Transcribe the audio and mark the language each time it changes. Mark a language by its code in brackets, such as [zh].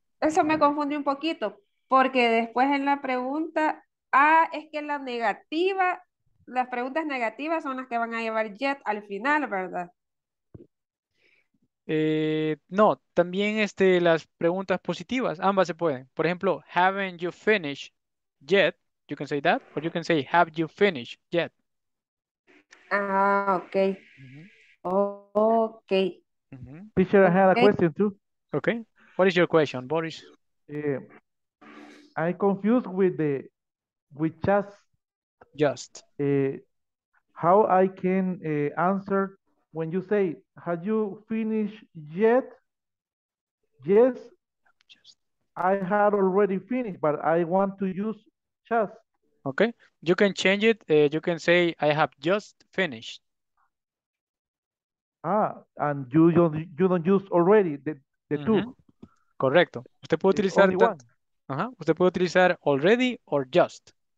[es] eso me confunde un poquito porque después en la pregunta. Es que la negativa, las preguntas negativas son las que van a llevar yet al final, ¿verdad? No, también las preguntas positivas, ambas se pueden. Por ejemplo, [en] haven't you finished yet? You can say that, or you can say, have you finished yet? Ah, okay. Mm-hmm. Oh, okay. Mm-hmm. Teacher, I had a question too. Okay. What is your question, Boris? I confused with the We just. How I can answer when you say, have you finished yet? Yes, just. I had already finished, but I want to use just. Okay, you can change it. You can say, I have just finished. And you don't use already, the mm-hmm. two. [es] Correcto. Usted puede utilizar usted puede utilizar [en] already or just.